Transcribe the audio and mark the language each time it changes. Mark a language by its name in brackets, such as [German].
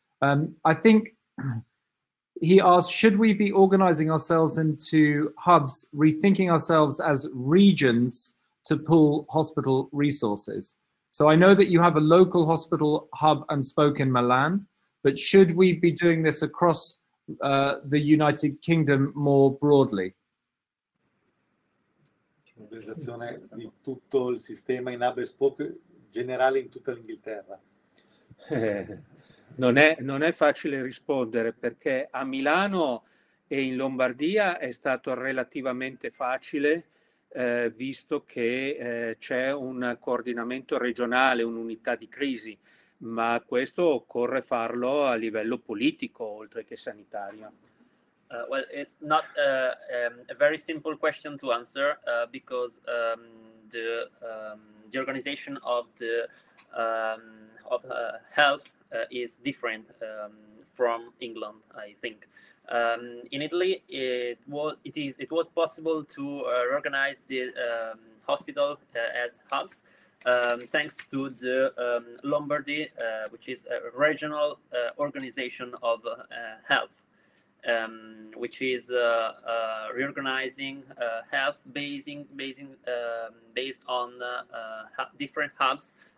[English] I think he asked, should we be organizing ourselves into hubs, rethinking ourselves as regions to pool hospital resources? So I know that you have a local hospital hub and spoke in Milan, but should we be doing this across the United Kingdom more broadly? [Italian] Organizzazione di tutto il sistema in hub e spoke generale in tutta l'Inghilterra. Non è facile rispondere, perché a Milano e in Lombardia è stato relativamente facile, visto che c'è un coordinamento regionale, un'unità di crisi, ma questo occorre farlo a livello politico oltre che sanitario. [English] Well, it's not a very simple question to answer, because the organization of the of health is different from England, I think. In Italy, it was possible to reorganize the hospital as hubs, thanks to the Lombardy, which is a regional organization of health, which is reorganizing health based on different hubs.